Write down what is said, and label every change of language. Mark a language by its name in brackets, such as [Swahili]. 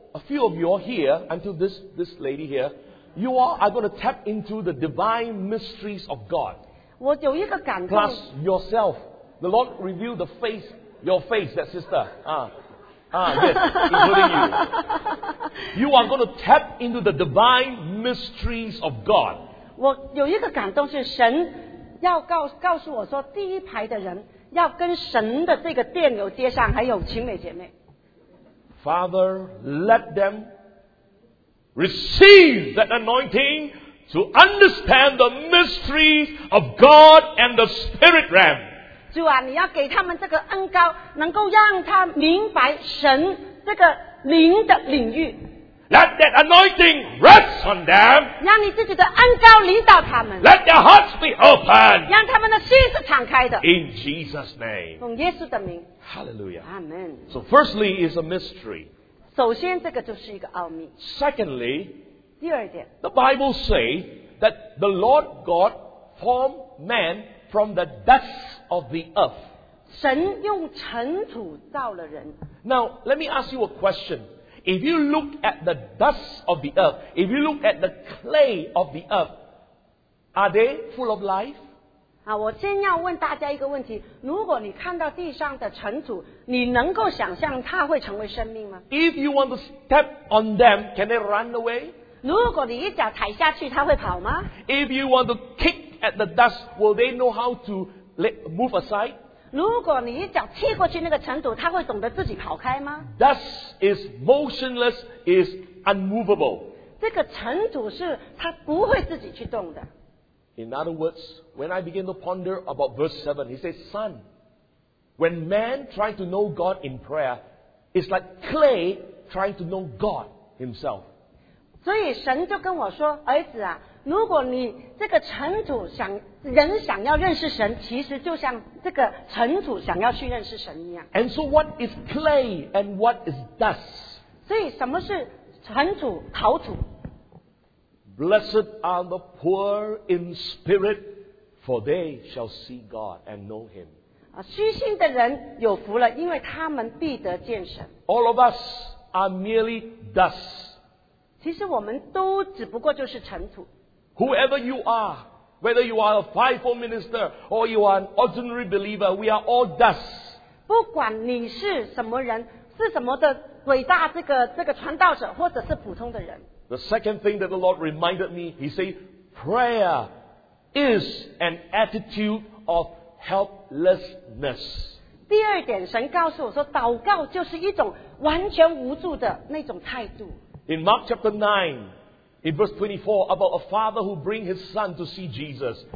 [English] A few of you are here until this lady here.You all are going to tap into the divine mysteries of God. [Chinese] 我有一个感动, [English] plus yourself. The Lord revealed the face, your face, that sister. Including you. You are going to tap into the divine mysteries of God. [Chinese] 我有一个感动是神要告诉我说, 第一排的人要跟神的这个电流接上, 还有情美姐妹。 [English] Father, let them receive that anointing to understand the mysteries of God and the spirit realm. [Chinese] 主啊, 你要给他们这个恩膏, 能够让他明白神这个灵的领域。 [English] Let that anointing rest on them. [Chinese] 让你自己的恩膏领导他们。 [English] Let their hearts be opened. [Chinese] 让他们的心是敞开的。 [English] In Jesus' name. [Chinese] 奉耶稣的名。 [English] Hallelujah. Amen. So firstly, it's a mystery. [Chinese] 首先,这个就是一个奥秘。 [English] Secondly, [Chinese] 第二点, [English] the Bible says that the Lord God formed man from the dust of the earth. [Chinese] 神用尘土造了人。 [English] Now, let me ask you a question. If you look at the dust of the earth, if you look at the clay of the earth, are they full of life? [Chinese] 我先要问大家一个问题, 如果你看到地上的尘土, 你能够想象它会成为生命吗? [English] If you want to step on them, can they run away? [Chinese] 如果你一脚踩下去, 它会跑吗? [English] If you want to kick at the dust, will they know how to move aside? [Chinese] 如果你一脚踢过去那个尘土, 它会懂得自己跑开吗? [English] Dust is motionless, is unmovable. [Chinese] 这个尘土是, 它不会自己去动的。 [English] In other words, when I begin to ponder about verse 7, he says, Son, when man tries to know God in prayer, it's like clay trying to know God himself. [Chinese] 所以神就跟我说, 儿子啊, 如果你这个尘土想, 人想要认识神, 其实就像这个尘土想要去认识神一样。 [English] And so what is clay and what is dust? [Chinese] 所以什么是尘土, 陶土? [English] Blessed are the poor in spirit, for they shall see God and know Him. [Chinese] 虚心的人有福了, 因为他们必得见神。 [English] All of us are merely dust. [Chinese] 其实我们都只不过就是尘土。 [English] Whoever you are, whether you are a fivefold minister or you are an ordinary believer, we are all dust. [Chinese] 不管你是什么人, 是什么的伟大这个传道者, 或者是普通的人。 [English] The second thing that the Lord reminded me, He said, prayer is an attitude of helplessness. [Chinese] 第二点,神告诉我说, 祷告就是一种完全无助的那种态度。 [English] In Mark chapter 9, in verse 24, about a father who brings his son to see Jesus.